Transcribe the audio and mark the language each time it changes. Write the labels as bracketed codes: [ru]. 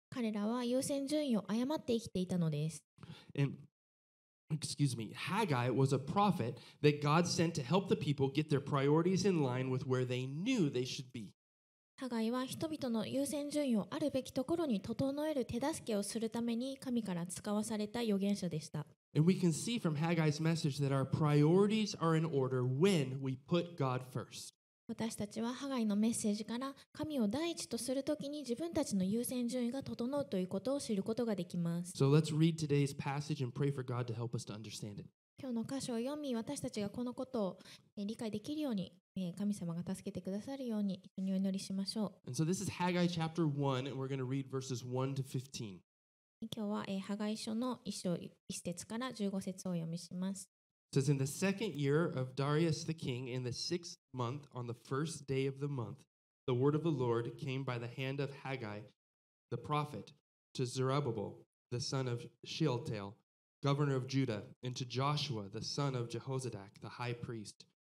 [ja] 彼らは優先順位を誤って生きていたのです。 [en] And, excuse me, Haggai was a prophet that God sent to help the people get their priorities in line with where they knew they should be. [ja] ハガイは人々の優先順位をあるべきところに整える手助けをするために神から使わされた預言者でした。 [en] And we can see from Haggai's message that our priorities are in order when we put God first. [ja] 私たちはハガイのメッセージから神を第一とするときに自分たちの優先順位が整うということを知ることができます。 [en] So let's read today's passage and pray for God to help us to understand it. [ja] 今日の箇所を読み、私たちがこのことを理解できるように神様が助けてくださるように一緒にお祈りしましょう。 [en] And so this is Haggai chapter 1, and we're going to read verses 1 to 15. [ja] 今日はハガイ書の1章1節から15節を読みします。 [en] It says, In the second year of Darius the king, in the sixth month, on the first day of the month, the word of the Lord came by the hand of Haggai, the prophet, to Zerubbabel, the son of Shealtiel, governor of Judah, and to Joshua, the son of Jehozadak, the high priest.